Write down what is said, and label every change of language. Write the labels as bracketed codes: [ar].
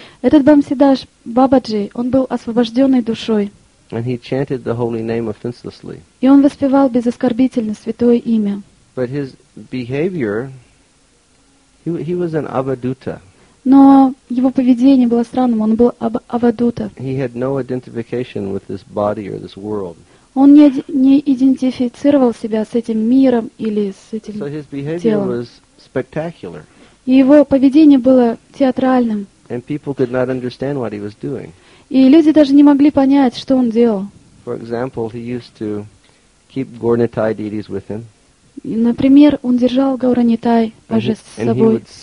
[ru] Этот Бхансидас Бабаджи, он был освобожденной душой. [en] And he chanted the holy name offenselessly. [ru] И он воспевал безоскорбительно святое имя. [en] But his behavior, he was an avadhuta. [ru] Но его поведение было странным, он был авадута. [en] He had no identification with this body or this world. [ru] Он не идентифицировал себя с этим миром или с этим телом. [en] So his behavior was spectacular. [ru] И его поведение было театральным. [en] And people could not understand what he was doing. [ru] И люди даже не могли понять, что он делал. [en] For example, he used to keep Gauranitai deities with him. [ru] Например, он держал Гауранитай божеств с собой.